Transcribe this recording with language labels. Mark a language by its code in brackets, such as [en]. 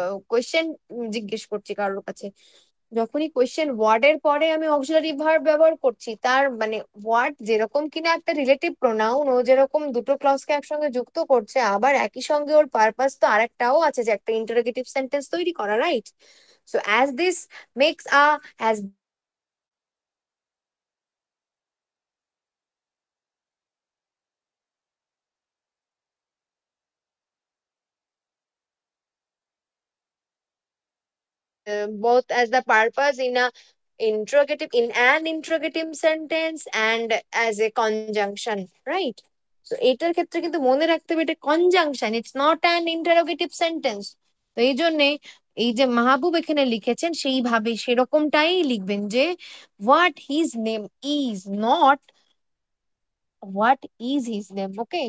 [bn] Question জিজ্ঞেস করছি কারোর কাছে, যখনই কোয়েশ্চেন ওয়ার্ডের পরে আমি অক্সিলারি ভার্ব ব্যবহার করছি, তার মানে ওয়ার্ড যেরকম কিনা একটা রিলেটিভ প্রোনাউন, ও যেরকম দুটো ক্লজকে একসঙ্গে যুক্ত করছে, আবার একই সঙ্গে ওর পারপাস তো আরেকটাও আছে যে একটা ইন্টারোগেটিভ সেন্টেন্স তৈরি করা, right? [en] So as this makes a as both as the purpose in a interrogative, in an interrogative sentence and as a conjunction, right? [bn] So এটার ক্ষেত্রে কিন্তু মনে রাখতে হবে এটা conjunction, [en] it's not an interrogative sentence, [bn] তো এই জন্যে এই যে মাহবুব এখানে লিখেছেন সেইভাবে সেরকমটাই লিখবেন যে [en] what his name is, not what is his name, [bn] okay?